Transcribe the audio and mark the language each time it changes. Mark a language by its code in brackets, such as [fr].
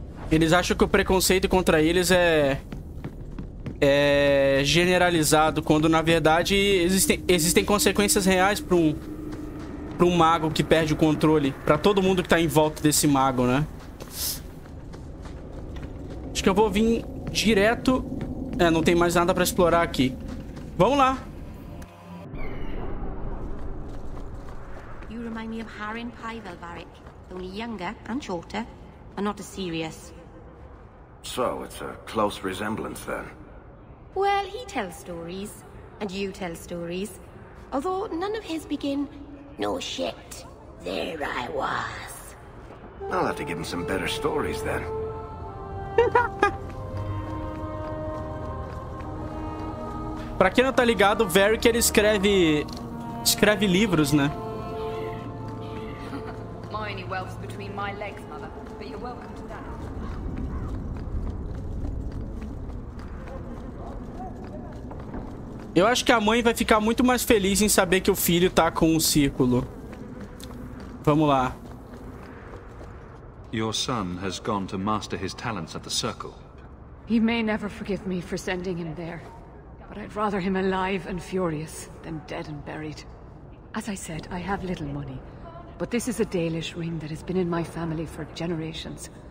[pt] Eles acham que o preconceito contra eles é... é generalizado, quando na verdade existem consequências reais para um mago que perde o controle, para todo mundo que tá em volta desse mago, né? Acho que eu vou vir direto. É, não tem mais nada para explorar aqui. Vamos lá. [en] You remind me of Harin Pyvel, Varric, only younger and shorter, and not as serious. So, it's a close resemblance then. Well, he tells stories, and you tell stories. Although none of his begin, no shit, there I was. I'll have to give him some better stories then. [pt] Pra quem não tá ligado, o Varric, ele escreve livros, né? [en] My only wealth's between my legs, mother, but you're welcome. [pt] Eu acho que a mãe vai ficar muito mais feliz em saber que o filho tá com o círculo. Vamos lá. [en] Your son has gone to master his talents at the circle. He may never forgive me for sending him there, but I'd rather him alive and furious than dead and buried. As I said, I have little money, but this is a Dalish ring that has been in my family for generations.